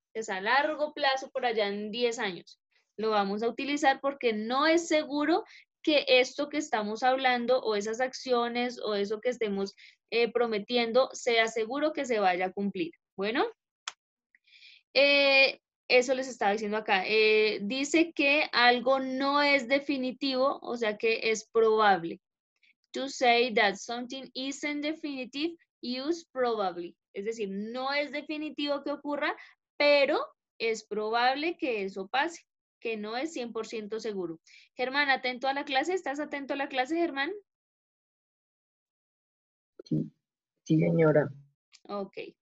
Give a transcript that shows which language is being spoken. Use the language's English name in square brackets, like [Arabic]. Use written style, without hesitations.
[Spanish] Es a largo plazo, por allá en 10 años. Lo vamos a utilizar porque no es seguro que esto que estamos hablando o esas acciones o eso que estemos prometiendo sea seguro que se vaya a cumplir. Bueno, eso les estaba diciendo acá. Dice que algo no es definitivo, o sea que es probable. [English] To say that something isn't definitive, use probably. [Spanish] Es decir, no es definitivo que ocurra, pero es probable que eso pase. Que no es 100% seguro. Germán, ¿atento a la clase? ¿Estás atento a la clase, Germán? Sí, señora. Ok.